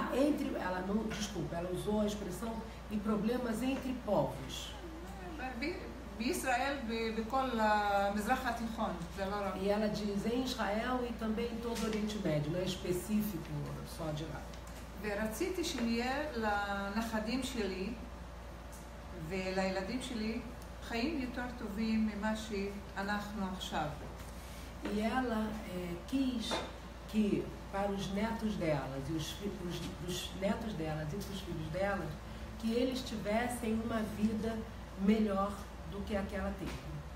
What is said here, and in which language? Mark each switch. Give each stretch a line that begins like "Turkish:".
Portuguese: Ela usou a expressão em problemas entre povos.
Hebrew: בישראל בכל המזרח התיכון, זה לא רק.
Portuguese: E ela diz em Israel e também em todo o Oriente Médio, não é específico só de lá.
Hebrew: ורציתי שנהיה לנכדים שלי ולילדים שלי חיים יותר טובים ממה שאנחנו עכשיו.
Portuguese: E ela quis que para os netos delas e os netos delas e os filhos delas que eles tivessem uma vida melhor do que aquela teve.